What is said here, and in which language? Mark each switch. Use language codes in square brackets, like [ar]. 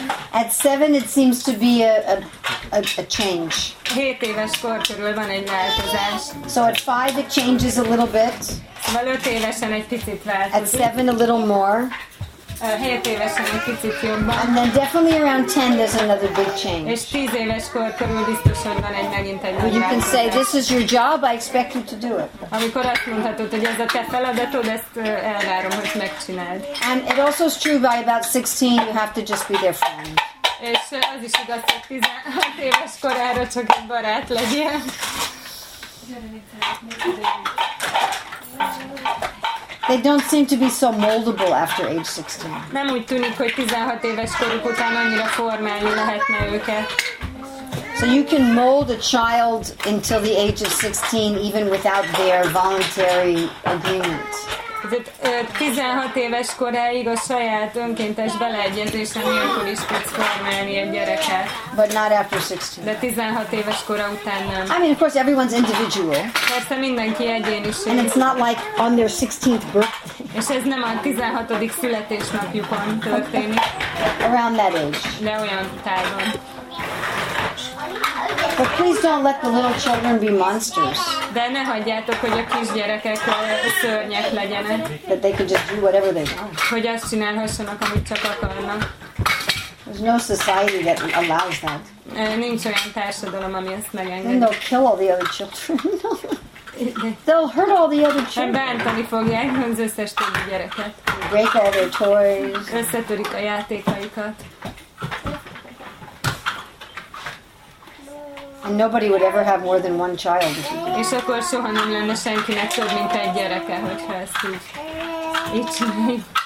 [en] At 7 it seems to be a change. [hu] 7 éves kor körül van egy változás. [en] So at 5 it changes a little bit. [hu] Vagy 5 évesen egy picit változik. [en] At 7 a little more. [hu] 7 évesen egy picit jobban. [en] And then definitely around 10 there's another big change. [hu] És 10 éves kor körül biztosan van egy megint egy változás. [en] You can say, this is your job, I expect you to do it. [hu] Amikor azt mondhatod, hogy ez a te feladatod, ezt elvárom, hogy megcsináld. [en] And it also is true by about 16 you have to just be their friend. [hu] És az is igaz, hogy 16 éves korára csak egy barát legyen. [en] They don't seem to be so moldable after age 16. [hu] Nem úgy tűnik, hogy 16 éves koruk után annyira formálni lehetne őket. [en] So you can mold a child until the age of 16 even without their voluntary agreement. [hu] 16 éves koráig a saját önkéntes beleegyezése nélkül is tudsz formálni egy gyereket. [en] But not after 16. [hu] De 16 éves kora után nem. [en] I mean, of course, everyone's individual. [hu] Persze mindenki egyéniség. [en] And it's not like on their 16th birthday. [hu] És ez nem a 16. születésnapjukon történik. [en] Around that age. [hu] De olyan tájban. [en] But please don't let the little children be monsters. [hu] De ne hagyjátok, hogy a kisgyerekek szörnyek legyenek. [en] That they can just do whatever they want. [hu] Hogy azt csinálhassanak, amit csak akarnak. [en] There's no society that allows that. [hu] Nincs olyan társadalom, ami ezt megengedi. [en] Then they'll kill all the other children. They'll hurt all the other children. [hu] Bántani fogják az összes többi gyereket. [en] Break all their toys. [hu] Összetörik a játékaikat. [en] And nobody would ever have more than one child. [hu] És akkor soha nem lenne senkinek több, mint egy gyereke, hogyha ezt így csinálj.